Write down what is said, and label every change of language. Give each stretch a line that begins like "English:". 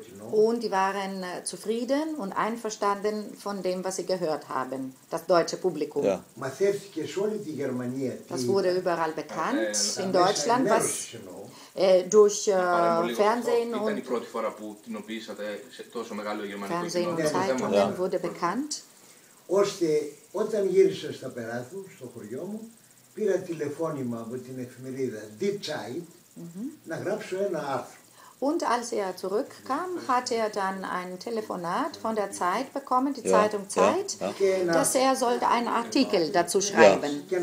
German: Und die waren zufrieden und einverstanden von dem, was sie gehört haben, das deutsche Publikum. Ja. Das wurde überall bekannt in Deutschland, was durch Fernsehen und Fernsehen und Zeitungen wurde bekannt.
Greek: Όταν γύρισα στα Περάθου, στο χωριό μου, πήρα τηλεφώνημα από την εφημερίδα Die Zeit να γράψω ένα άρθρο.
German: Und als er zurückkam, hat er dann ein Telefonat von der Zeit bekommen, die Zeitung Zeit, dass er sollte einen Artikel dazu schreiben.